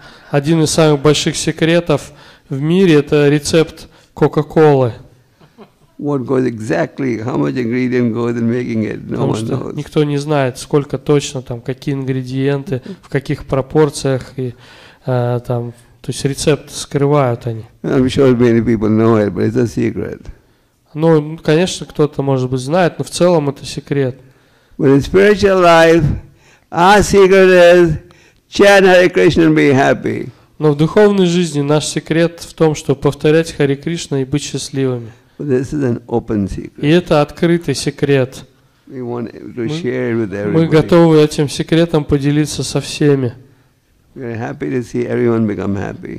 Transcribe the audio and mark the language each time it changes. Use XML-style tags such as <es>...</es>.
<ru>Один из самых больших секретов в мире – это рецепт Coca-Cola.</ru> <en>What goes exactly? How much ingredient goes in making it? No one knows.</en> <ru>Никто не знает, сколько точно там, какие ингредиенты, в каких пропорциях и там. То есть рецепт скрывают они.</ru> <en>I'm sure many people know it, but it's a secret.</en> <ru>Ну, конечно, кто-то, может быть, знает, но в целом это секрет.</ru> <en>But in spiritual life, our secret is chant Hare Krishna and be happy.</en> <ru>Но в духовной жизни наш секрет в том, чтобы повторять Харе Кришна и быть счастливыми.</ru> <en>But this is an open secret.</en> <ru>И это открытый секрет.</ru> <en>We want to share it with everybody.</en> <ru>Мы готовы этим секретом поделиться со всеми.</ru> <en>We are happy to see everyone become happy.</en>